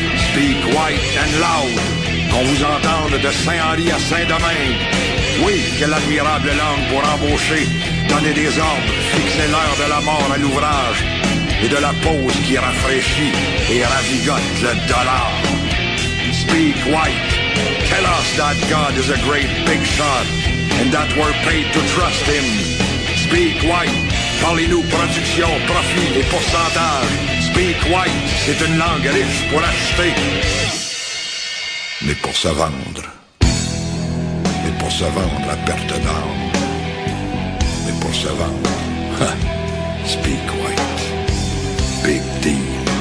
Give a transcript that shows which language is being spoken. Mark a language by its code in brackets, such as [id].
[en] Speak white and loud, [fr] qu'on vous entende de Saint-Henri à Saint-Domingue. Oui, quelle admirable langue pour embaucher, donner des ordres, fixer l'heure de la mort à l'ouvrage et de la pause qui rafraîchit et ravigote le dollar. [en] Speak white. Tell us that God is a great big shot and that we're paid to trust him. Speak white. [fr] Parlez-nous production, profit et pourcentage. [en] Speak white. [fr] C'est une langue riche pour acheter. Mais pour se vendre. Mais pour se vendre à perte d'âme. Mais pour se vendre. [en] Speak white. Big deal.